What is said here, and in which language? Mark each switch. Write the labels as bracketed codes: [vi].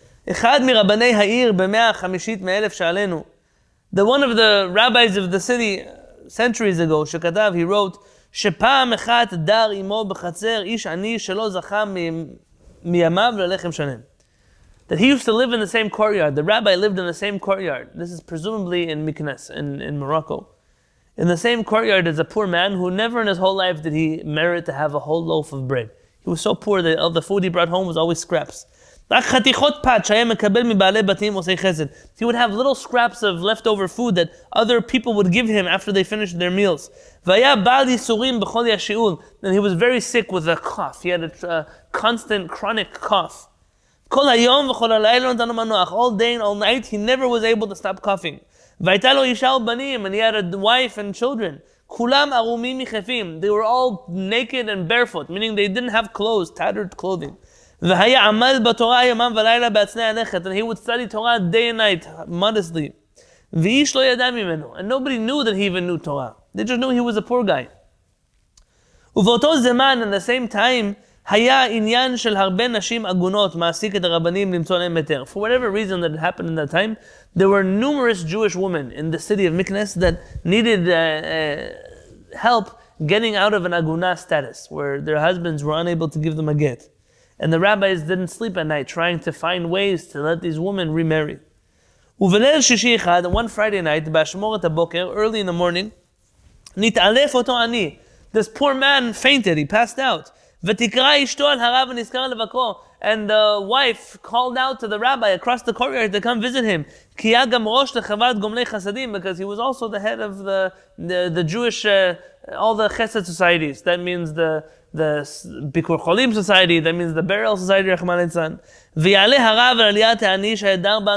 [he] אחד מרבני העיר במאה החמישית מאלף שעלינו, [en] the one of the rabbis of the city centuries ago, [he] שכתב, [en] he wrote, [he] שפעם אחת דר אמו בחצר איש עני שלא זכה מימיו ללחם שלם. [en] That he used to live in the same courtyard. The rabbi lived in the same courtyard. This is presumably in Meknes, in Morocco. In the same courtyard as a poor man who never in his whole life did he merit to have a whole loaf of bread. He was so poor that all the food he brought home was always scraps. He would have little scraps of leftover food that other people would give him after they finished their meals. And he was very sick with a cough. He had a constant chronic cough. All day and all night, he never was able to stop coughing. And he had a wife and children. They were all naked and barefoot, meaning they didn't have clothes, tattered clothing. And he would study Torah day and night, modestly. And nobody knew that he even knew Torah. They just knew he was a poor guy. At the same time, [he] היה עניין של הרבה נשים אגונות מעסיק את הרבנים למצוא להם היתר. [en] For whatever reason that it happened in that time, there were numerous Jewish women in the city of Meknes that needed help getting out of an aguna status, where their husbands were unable to give them a get. And the rabbis didn't sleep at night trying to find ways to let these women remarry. [he] ובליל שישי אחד, [en] one Friday night, [he] באשמורת הבוקר, [en] early in the morning, [he] נתעלף אותו עני. [en] This poor man fainted, he passed out. And the wife called out to the rabbi across the courtyard to come visit him. Because he was also the head of the Jewish, all the chesed societies. That means the Bikur Cholim society, that means the burial society, Rechman Etzan.